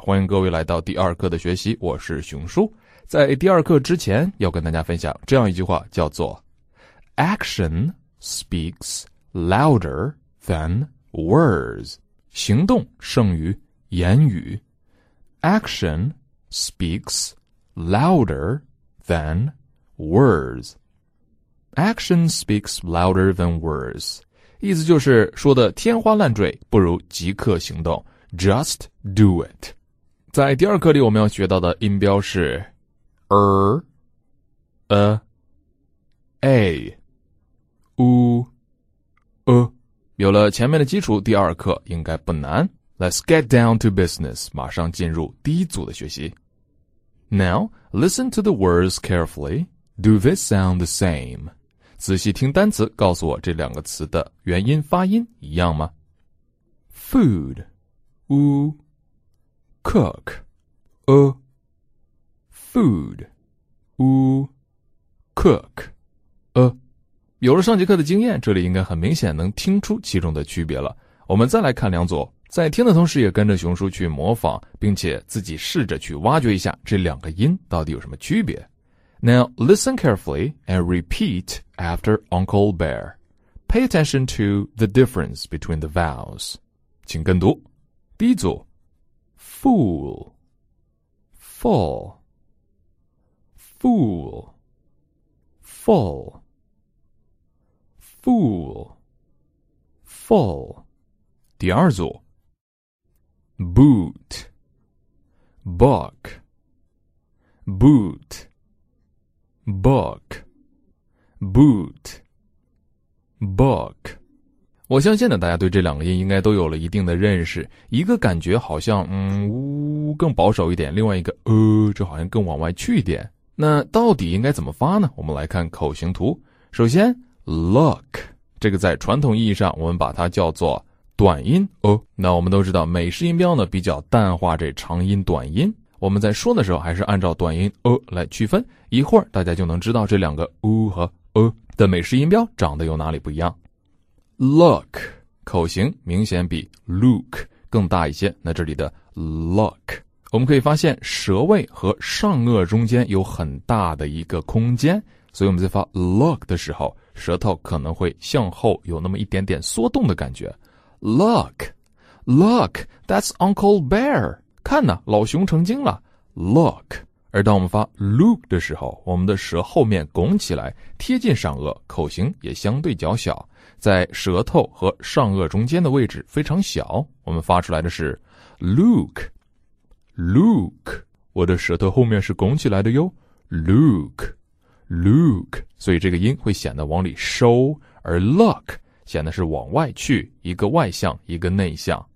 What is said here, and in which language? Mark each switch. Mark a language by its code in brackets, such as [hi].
[zh] 欢迎各位来到第二课的学习，我是熊叔。在第二课之前，要跟大家分享这样一句话，叫做 [en] Action speaks louder than words. [zh] 行动胜于言语。 [en] Action speaks louder than words. Action speaks louder than words. [zh] 意思就是说的天花乱坠不如即刻行动 [en] Just do it [zh] 在第二课里我们要学到的音标是 有了前面的基础第二课应该不难 [en] Let's get down to business [zh] 马上进入第一组的学习 [en] Now, listen to the words carefully Do they sound the same? [zh] 仔细听单词，告诉我这两个词的元音发音一样吗 ？Food, cook, food, cook,有了上节课的经验，这里应该很明显能听出其中的区别了。我们再来看两组，在听的同时也跟着熊叔去模仿，并且自己试着去挖掘一下这两个音到底有什么区别。 [en] Now, listen carefully and repeat after Uncle Bear. Pay attention to the difference between the vowels. [zh] 请跟读。第一组 [en] Fool Full Fool Full Fool Full [zh] 第二组 [en] Boot Book BootBook, boot, book. [zh] 我相信呢，大家对这两个音应该都有了一定的认识。一个感觉好像更保守一点，另外一个这好像更往外去一点。那到底应该怎么发呢？我们来看口型图。首先 ，look 这个在传统意义上，我们把它叫做短音那我们都知道，美式音标呢比较淡化这长音短音。我们在说的时候还是按照短音来区分，一会儿大家就能知道这两个和的美式音标长得有哪里不一样。 Look 口型明显比 look 更大一些，那这里的 look 我们可以发现舌位和上颚中间有很大的一个空间，所以我们在发 look 的时候，舌头可能会向后有那么一点点缩动的感觉。 [en] Look, look, that's Uncle Bear. [zh] 看呢，老熊成精了 ,look, 而当我们发 look 的时候，我们的舌后面拱起来贴近上颚，口型也相对较小，在舌头和上颚中间的位置非常小，我们发出来的是 look, look, 我的舌头后面是拱起来的哟 ,look, look, 所以这个音会显得往里收，而 look 显得是往外去，一个外向，一个内向。